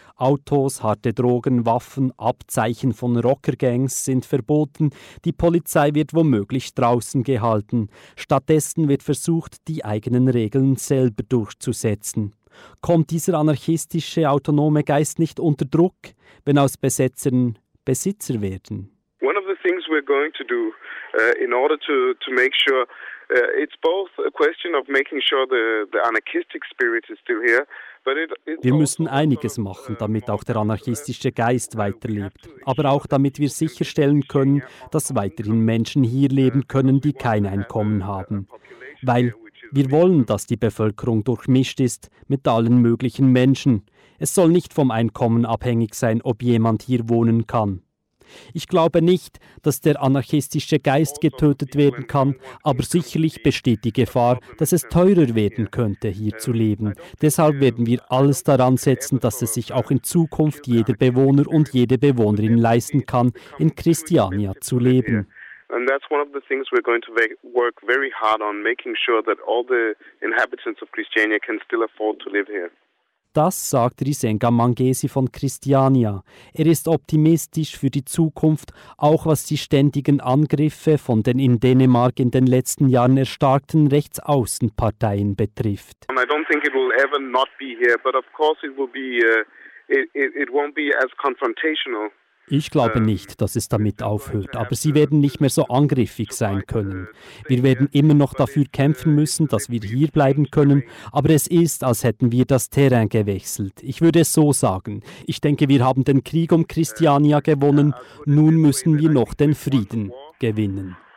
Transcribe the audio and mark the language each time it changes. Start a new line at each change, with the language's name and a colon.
German: Autos, harte Drogen, Waffen, Abzeichen von Rockergangs sind verboten. Die Polizei wird womöglich draußen gehalten. Stattdessen wird versucht, die eigenen Regeln selber durchzusetzen. Kommt dieser anarchistische, autonome Geist nicht unter Druck, wenn aus Besetzern Besitzer werden?
English: One of the things we're going to do in order to make sure it's both a question of making sure the anarchistic spirit is still here.
German: Wir müssen einiges machen, damit auch der anarchistische Geist weiterlebt. Aber auch damit wir sicherstellen können, dass weiterhin Menschen hier leben können, die kein Einkommen haben. Weil wir wollen, dass die Bevölkerung durchmischt ist mit allen möglichen Menschen. Es soll nicht vom Einkommen abhängig sein, ob jemand hier wohnen kann. Ich glaube nicht, dass der anarchistische Geist getötet werden kann, aber sicherlich besteht die Gefahr, dass es teurer werden könnte, hier zu leben. Deshalb werden wir alles daran setzen, dass es sich auch in Zukunft jeder Bewohner und jede Bewohnerin leisten kann, in Christiania zu leben.
English: And that's one of the things we're going to work very hard on, making sure that all the inhabitants of Christiania can still afford to live here.
German: Das sagt Risenga Mangesi von Christiania. Er ist optimistisch für die Zukunft, auch was die ständigen Angriffe von den in Dänemark in den letzten Jahren erstarkten Rechtsaußenparteien betrifft.
English: I don't think it will ever not be here, but of course it will be it won't be as confrontational.
German: Ich glaube nicht, dass es damit aufhört, aber sie werden nicht mehr so angriffig sein können. Wir werden immer noch dafür kämpfen müssen, dass wir hier bleiben können, aber es ist, als hätten wir das Terrain gewechselt. Ich würde es so sagen. Ich denke, wir haben den Krieg um Christiania gewonnen, nun müssen wir noch den Frieden gewinnen.